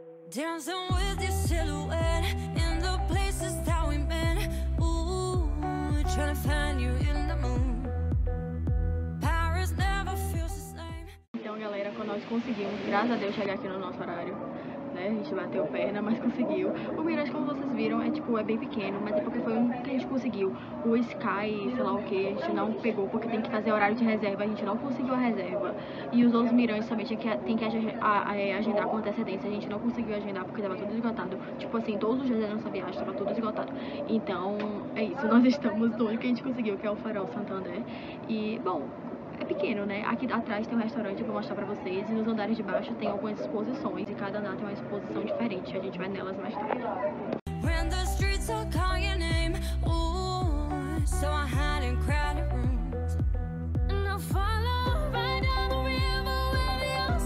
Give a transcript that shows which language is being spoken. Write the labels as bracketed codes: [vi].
[en] Dancing with the silhouette in the places that we've been. Ooh, trying to find you in the moon. Paris never feels the same. [pt] Então, galera, quando nós conseguimos, graças a Deus, chegar aqui no nosso horário, né? A gente bateu perna, mas conseguiu. O Mirage, como vocês viram, é tipo, é bem pequeno, mas é porque foi um que a gente conseguiu. O Sky, sei lá o que, a gente não pegou porque tem que fazer horário de reserva, a gente não conseguiu a reserva. E os outros Mirantes também tem que agendar com antecedência, a gente não conseguiu agendar porque tava tudo esgotado. Tipo assim, todos os dias da nossa viagem tava tudo esgotado. Então, é isso, nós estamos no único que a gente conseguiu, que é o Farol Santander. E, bom, é pequeno, né? Aqui atrás tem um restaurante que eu vou mostrar pra vocês. E nos andares de baixo tem algumas exposições. E cada andar tem uma exposição diferente. A gente vai nelas mais tarde. [en] When the streets are calling your name. Ooh, so I hide in crowded rooms. And I'll follow right down the river with you.